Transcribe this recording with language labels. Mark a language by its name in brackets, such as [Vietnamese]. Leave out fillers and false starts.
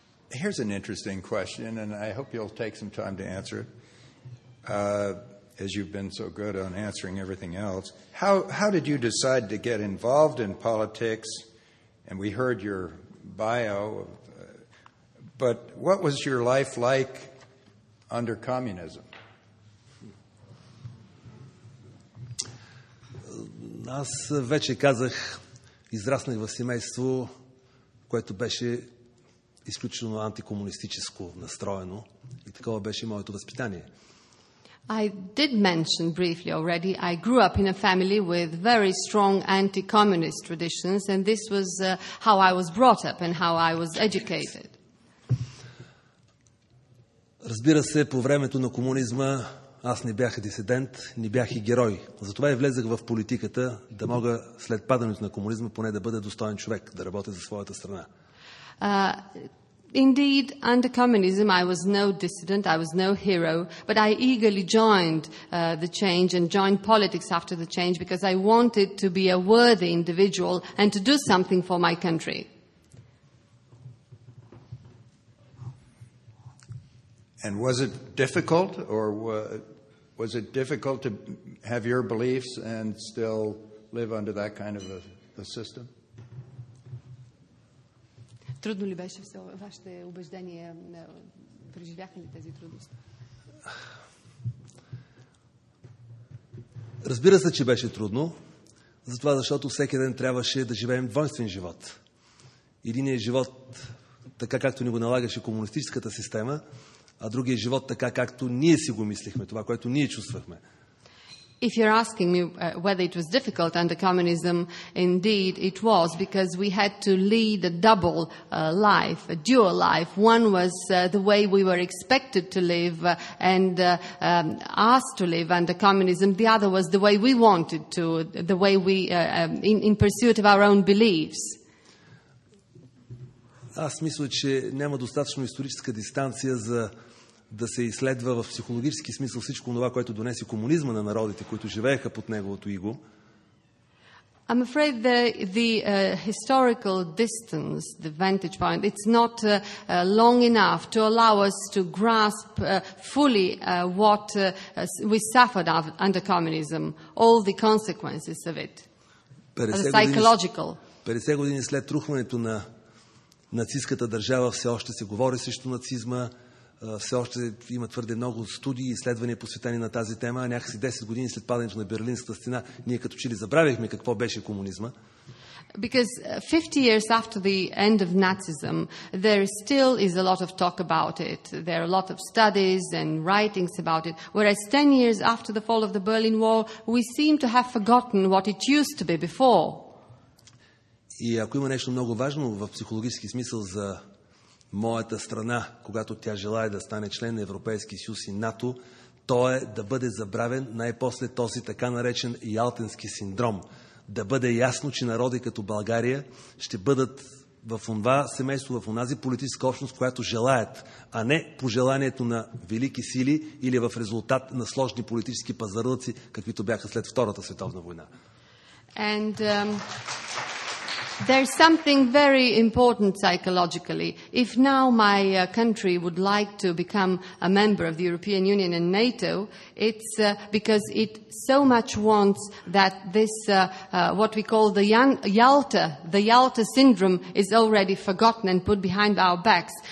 [English] Here's an interesting question, and I hope you'll take some time to answer it, as you've been so good on answering everything else. How did you decide to get involved in politics? And we heard your bio, but what was your life like under communism? [Bulgarian] Аз вече казах, израснах в семейство, което беше изключително антикомунистическо настроено и такова беше моето възпитание. [English] I did mention briefly already, I grew up in a family with very strong anti-communist traditions and this was how I was brought up and how I was educated. [Bulgarian] Разбира се, по времето на комунизма аз не бях дисидент, не бях и герой. Затова и влезах в политиката, да мога след падането на комунизма поне да бъда достоен човек, да работя за своята страна. [English] Indeed, under communism I was no dissident, I was no hero, but I eagerly joined the change and joined politics after the change because I wanted to be a worthy individual and to do something for my country. And was it difficult to have your beliefs and still live under that kind of a system? [Bulgarian] Трудно ли беше все вашите убеждения? Преживяхте ли тези трудности? Разбира се, че беше трудно. Затова, защото всеки ден трябваше да живеем двойствен живот. Единият живот, така както ни го налагаше комунистическата система, а другият живот, така както ние си го мислихме, това, което ние чувствахме. [English] If you're asking me whether it was difficult under communism, indeed it was, because we had to lead a double life, a dual life. One was the way we were expected to live asked to live under communism. The other was the way we wanted to, the way we, in pursuit of our own beliefs. [Bulgarian] Аз мисля, че няма достатъчно историческа дистанция за да се изследва в психологически смисъл всичко това, което донесе комунизма на народите, които живееха под неговото иго. [English] I'm afraid historical distance, the vantage point, it's not long enough to allow us to grasp fully what we suffered under communism, all the consequences of it. Psychological. [Bulgarian] 50 години след рухването на нацистската държава все още се говори срещу нацизма. Все още има твърде много студии и изследвания, посветени на тази тема. Някакси 10 години след падането на Берлинската стена, ние като че ли забравихме какво беше комунизма. [English] Because 50 years after the end of Nazism, there still is a lot of talk about it. There are a lot of studies and writings about it. Whereas 10 years after the fall of the Berlin Wall, we seem to have forgotten what it used to be before. [Bulgarian] И ако има нещо много важно в психологически смисъл за моята страна, когато тя желая да стане член на Европейския съюз и НАТО, то е да бъде забравен най-после този така наречен Ялтински синдром. Да бъде ясно, че народи като България ще бъдат в онова семейство, в онази политическа общност, която желаят, а не по желанието на велики сили или в резултат на сложни политически пазарлъци, каквито бяха след Втората световна война. [English] There's something very important psychologically. If now my country would like to become a member of the European Union and NATO, it's because it so much wants that this, what we call the Yalta syndrome, is already forgotten and put behind our backs.